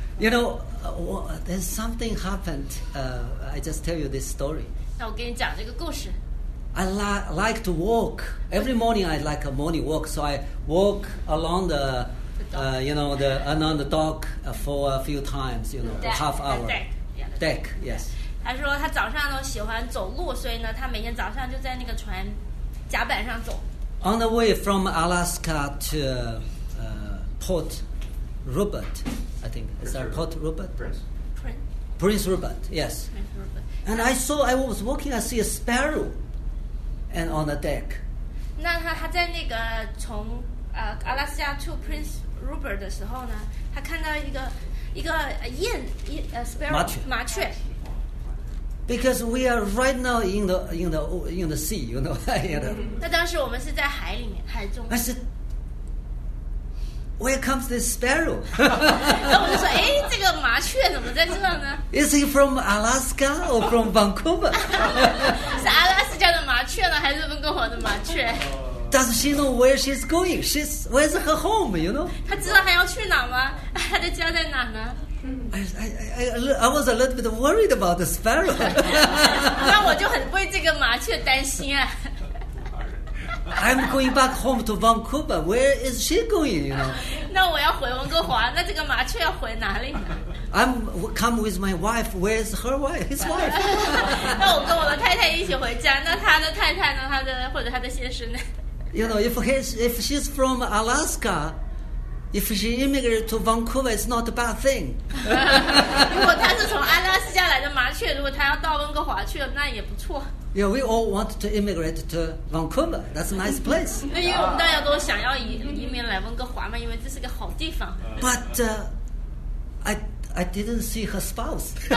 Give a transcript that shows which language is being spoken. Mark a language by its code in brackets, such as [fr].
[en] You know, there's something happened. I just tell you this story. [zh] 那我给你讲这个故事。 [en] I like to walk. Every morning I like a morning walk. So I walk along the, along the dock for a few times, you know, deck, half hour. Deck, yeah, deck, yes. [zh] 他说他早上呢喜欢走路，所以呢他每天早上就在那个船甲板上走。 [en] On the way from Alaska to Port Rupert, I think. Is that Port Rupert? Prince Rupert, yes. Prince Rupert. And I see a sparrow and on the deck. [zh] 那他在那个从 [en] Alaska to Prince Rupert [zh] 的时候呢，他看到一个雁， [en] sparrow [zh] 麻雀。 [en] Because we are right now in the sea, you know. [zh] 那当时我们是在海里面，海中。 [en] I said, "Where comes this sparrow?" [zh] 然后我就说，哎，这个麻雀怎么在这呢 [en] ？Is he from Alaska or from Vancouver? [zh] 是阿拉斯加的麻雀呢，还是温哥华的麻雀 [en] ？Does she know where she's going? She's where's her home? You know. [zh] 她知道她要去哪吗？她的家在哪呢？ [en] I was a little bit worried about the sparrow. [zh] 那我就很为这个麻雀担心啊。 [en] I'm going back home to Vancouver. Where is she going? You know. [zh] 那我要回温哥华，那这个麻雀要回哪里呢 [en] ？I'm come with my wife. Where's her wife? His wife. [zh] 那我跟我的太太一起回家。那他的太太呢？或者他的先生呢 [en] ？You know, if she's from Alaska. If she immigrated to Vancouver, it's not a bad thing. [zh] 如果她是从阿拉斯加来的麻雀，如果她要到温哥华去了，那也不错。 [en] Yeah, we all want to immigrate to Vancouver. That's a nice place. [zh] 那因为我们大家都想要移民来温哥华嘛，因为这是个好地方。 [en] But I didn't see her spouse.